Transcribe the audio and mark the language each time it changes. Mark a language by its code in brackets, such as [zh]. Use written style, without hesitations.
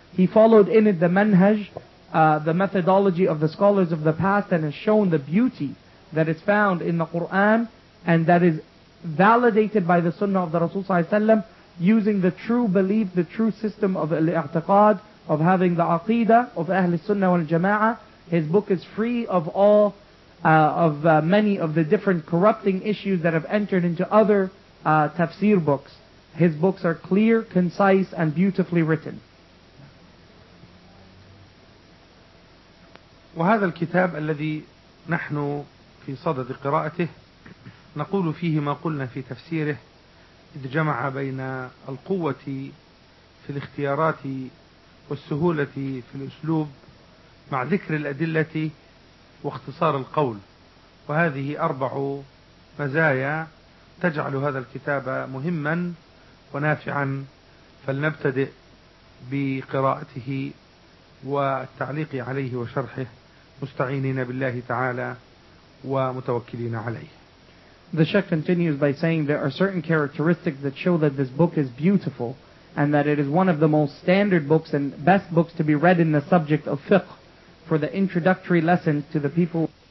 [en] He followed in it the manhaj, the methodology of the scholars of the past, and has shown the beauty that is found in the Qur'an and that is validated by the sunnah of the Rasul sallallahu alayhi wa sallam, using the true belief, the true system of al-i'tiqad, of having the aqidah of Ahlul Sunnah wal Jama'ah. His book is free of all many of the different corrupting issues that have entered into other tafsir books. His books are clear, concise, and beautifully written. [ar] وهذا الكتاب الذي نحن في صدد قراءته نقول فيه ما قلنا في تفسيره، إذ جمع بين القوة في الاختيارات والسهولة في الأسلوب مع ذكر الأدلة واختصار القول، وهذه أربع مزايا تجعل هذا الكتاب مهما ونافعا، فلنبتدئ بقراءته والتعليق عليه وشرحه مستعينين بالله تعالى ومتوكلين عليه. [en] The Sheikh continues by saying there are certain characteristics that show that this book is beautiful and that it is one of the most standard books and best books to be read in the subject of fiqh for the introductory lesson to the people.